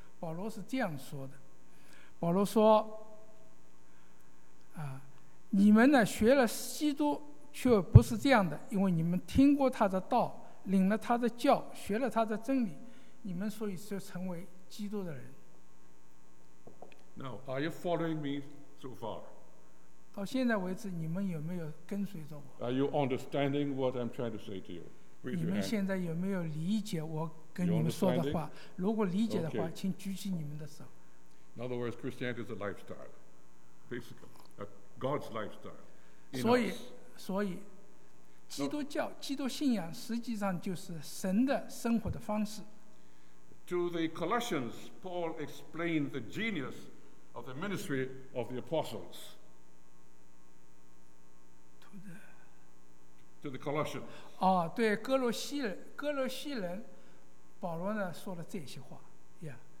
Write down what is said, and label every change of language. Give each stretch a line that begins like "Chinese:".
Chinese: 保罗是这样说的，保罗说，你们呢学了基督却不是这样的，因为你们听过他的道，领了他的教，学了他的真理，你们所以就成为基督的人。
English: Now, are you following me so far?
Chinese: 到现在为止你们有没有跟随着我？
English: Are you understanding what I'm trying to say to you?
Chinese: 你们现在有没有理解我跟你们说的话？如果理解的话，请举起你们的手。
English: In other words, Christianity is a lifestyle, basically, a God's lifestyle.
Chinese: 所以，基督教、基督信仰实际上就是神的生活的方式。
English: To the Colossians, Paul explained the genius of the ministry of the apostles. To the Colossians.
Chinese: 对，哥罗西人。保罗呢说了这些话 ，Yeah.